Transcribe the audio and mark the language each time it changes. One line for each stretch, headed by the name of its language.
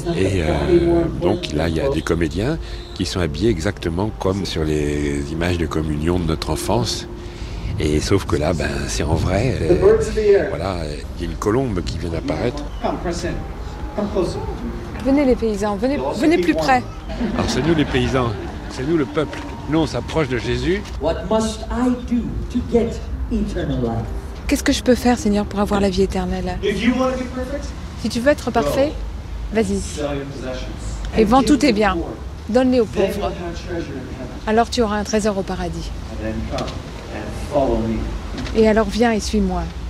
French: Et donc là, il y a des comédiens qui sont habillés exactement comme sur les images de communion de notre enfance. Et sauf que là, ben, c'est en vrai. Voilà, il y a une colombe qui vient d'apparaître. Venez les paysans, venez plus près. Alors c'est nous les paysans, c'est nous le peuple. Nous on s'approche de Jésus.
English: What must I do to get eternal life?
French: Qu'est-ce que je peux faire, Seigneur, pour avoir la vie éternelle?
English: If you want to be perfect,
French: si tu veux être parfait,
English: go.
French: Vas-y.
English: Sell your possessions.
French: Et vends tous tes biens. Donne-les aux pauvres. Alors tu auras un trésor au paradis.
English: And then come and follow me.
French: Et alors viens et suis-moi.